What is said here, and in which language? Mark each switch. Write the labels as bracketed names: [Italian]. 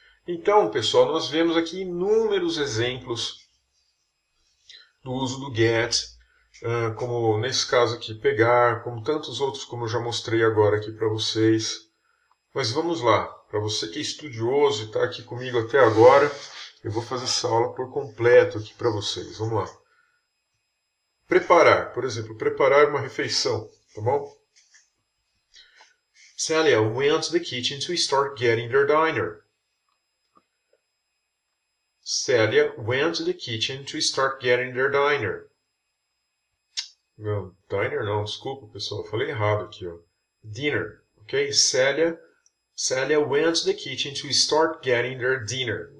[Portuguese] Então, pessoal, nós vemos aqui inúmeros exemplos do uso do get, como nesse caso aqui, pegar, como tantos outros, como eu já mostrei agora aqui para vocês. Mas vamos lá, para você que é estudioso e está aqui comigo até agora, eu vou fazer essa aula por completo aqui para vocês. Vamos lá. Preparar, por exemplo, preparar uma refeição, tá bom? [English] Celia went to the kitchen to start getting their dinner. Celia went to the kitchen to start getting their dinner. [Portuguese] Não, diner não, desculpa, pessoal, falei errado aqui, ó. [English] Dinner, ok? Celia went to the kitchen to start getting their dinner.